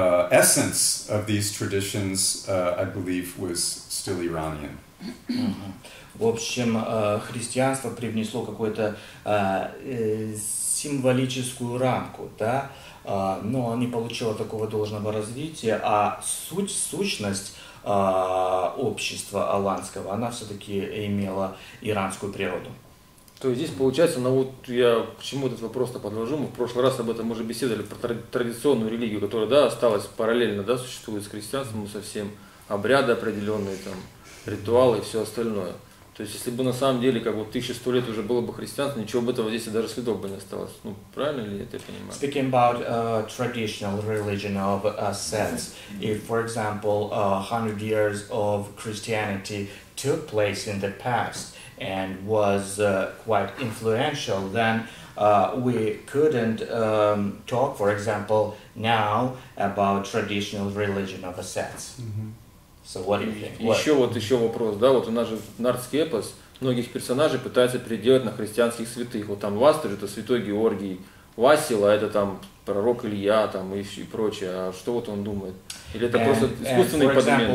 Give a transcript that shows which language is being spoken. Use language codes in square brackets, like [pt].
[en] essence of these traditions, I believe, was still Iranian. [ru] В общем, христианство привнесло какую-то символическую рамку, да, но не получило такого должного развития, а суть, сущность общества аланского, она все-таки имела иранскую природу. То есть здесь получается, ну вот я к чему этот вопрос-то подвожу, мы в прошлый раз об этом уже беседовали, про традиционную религию, которая, да, осталась параллельно, да, существует с христианством, со всем, обряды определенные, там, ритуалы и все остальное. То есть, если бы на самом деле, как бы 1100 лет уже было бы христианство, ничего бы этого здесь и даже следов бы не осталось. Ну, правильно ли я это понимаю? [en] Speaking about traditional religion of ascents, if, for example, 100 years of Christianity took place in the past and was quite influential, then we couldn't talk, for example, now about traditional religion of ascents. So what do you think? What? [ru] Еще вот еще вопрос, да, вот у нас же нардский эпос, многих персонажей пытаются переделать на христианских святых. Вот там Вастер, это святой Георгий, Васил, а это там пророк Илья, там и прочее. А что вот он думает? Или это and, просто искусственные подмены?